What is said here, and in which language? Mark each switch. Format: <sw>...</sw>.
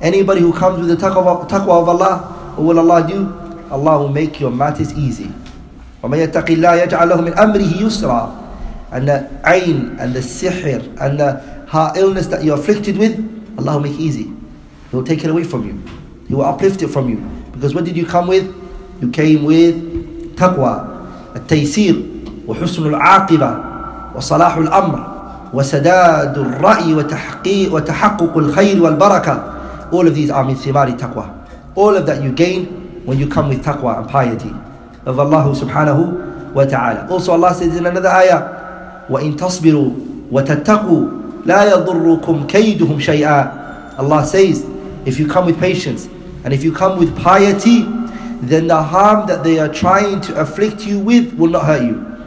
<en>Anybody who comes with the taqwa of Allah, what will Allah do? Allah will make your matters easy.</en> <ar>وَمَنْ يَتَّقِ اللَّهَ يَجْعَلْ لَهُ مِنْ أَمْرِهِ يُسْرًا.</ar> <en>And the ayn and the sihr and the heart illness that you're afflicted with, Allah will make easy. He will take it away from you. He will uplift it from you. Because what did you come with? You came with taqwa,</en> <ar>التيسير وحسن العاقبة وصلاح الأمر وسداد الرأي وتحقق الخير والبركة.</ar> <en>All of these are</en> <ar>min thimari taqwa.</ar> <en>All of that you gain when you come with taqwa and piety of Allah subhanahu wa ta'ala. Also Allah says in another ayah,</en> <ar>وَإِن تَصْبِرُوا وَتَتَّقُوا لَا يَضُرُّكُمْ كَيْدُهُمْ شَيْئًا.</ar> <en>Allah says, if you come with patience and if you come with piety, then the harm that they are trying to afflict you with will not hurt you.</en>